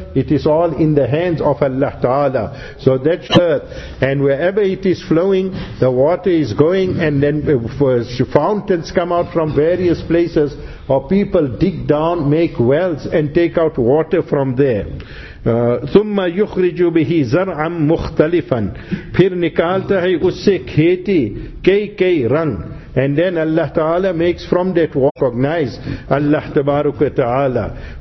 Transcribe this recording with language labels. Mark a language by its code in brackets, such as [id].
[en] It is all in the hands of Allah Ta'ala. So that earth, and wherever it is flowing, the water is going, and then fountains come out from various places, or people dig down, make wells, and take out water from there. [ar] ثُمَّ يُخْرِجُ بِهِ زَرْعًا مُخْتَلِفًا. [ur] پھر نکالتا ہے اس سے کھیتی کئی کئی رنگ. [en] And then Allah Ta'ala makes from that water, recognize Allah Tabaruk Ta'ala.